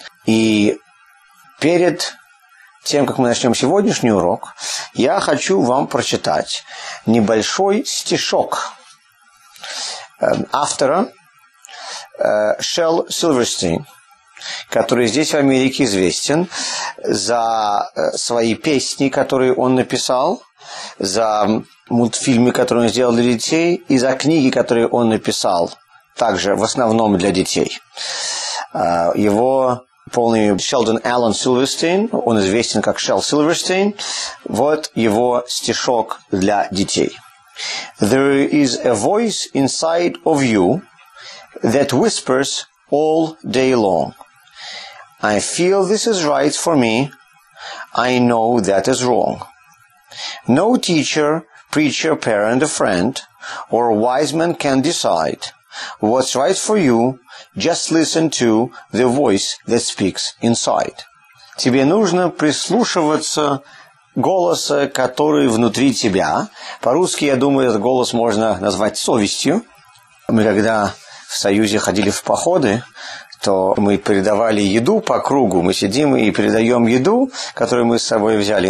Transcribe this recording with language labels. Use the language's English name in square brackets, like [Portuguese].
[Russian] И перед тем, как мы начнем сегодняшний урок, я хочу вам прочитать небольшой стишок автора Шел Сильверстейн, который здесь в Америке известен за свои песни, которые он написал, за мультфильмы, которые он сделал для детей, и за книги, которые он написал, также в основном для детей. Его полный Шелдон Аллен Сильверстейн, он известен как Шел Сильверстейн, вот его стишок для детей. [English] There is a voice inside of you that whispers all day long. I feel this is right for me. I know that is wrong. No teacher, preacher, parent, a friend, or a wise man can decide what's right for you. Just listen to the voice that speaks inside. [Russian] Тебе нужно прислушиваться голос, который внутри тебя. По-русски, я думаю, этот голос можно назвать совестью. Мы когда в Союзе ходили в походы, то мы передавали еду по кругу. Мы сидим и передаем еду, которую мы с собой взяли.